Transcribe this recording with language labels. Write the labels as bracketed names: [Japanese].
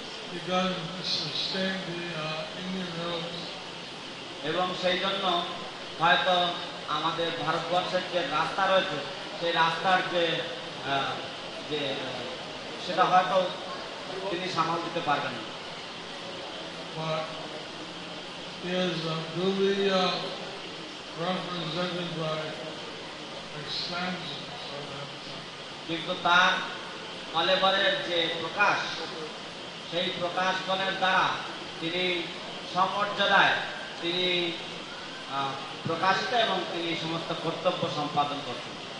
[English] begun to sustain the Indian roads. [Bangla] এবং সেই জন্য হয়তো আমাদের ভারতবর্ষের যে রাস্তা রয়েছে সেই রাস্তার যে যে সেটা হয়তো তিনি সামাল দিতে পারবেন না. [English] But he is duly represented by expansions of that [Bangla] কিন্তু তার কলেবরের যে প্রকাশ সেই প্রকাশগণের দ্বারা তিনি সমর্যাদায় তিনি প্রকাশিত এবং তিনি সমস্ত কর্তব্য সম্পাদন করছেন.